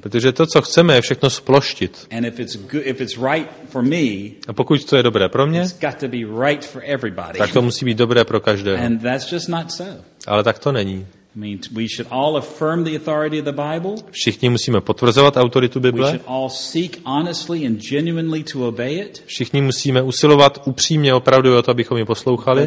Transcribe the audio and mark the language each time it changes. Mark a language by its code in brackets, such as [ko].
[cs] Protože to, co chceme, je všechno sploštit. [en] And if it's right for me, [cs] a pokud to je dobré pro mě, [en] it's got to be right for everybody. [cs] Tak to musí být dobré pro každého. [en] And that's just not so. [cs] Ale tak to není. [en] I mean, we should all affirm the authority of the Bible. [cs] Všichni musíme potvrzovat autoritu Bible. [en] We should all seek honestly and genuinely to obey it. [cs] Všichni musíme usilovat upřímně opravdu o to, abychom ji poslouchali.